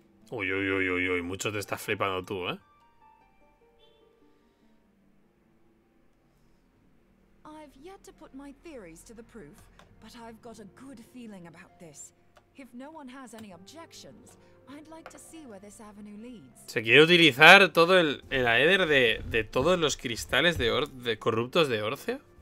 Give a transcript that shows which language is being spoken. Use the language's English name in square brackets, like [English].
[Spanish] Uy, uy, uy, uy, uy, mucho te estás flipando tú, ¿eh? [English] I've yet to put my theories to the proof, but I've got a good feeling about this. If no one has any objections, I'd like to see where this avenue leads. [Spanish] Se quiere utilizar todo el aether de todos los cristales de corruptos de Eorzea.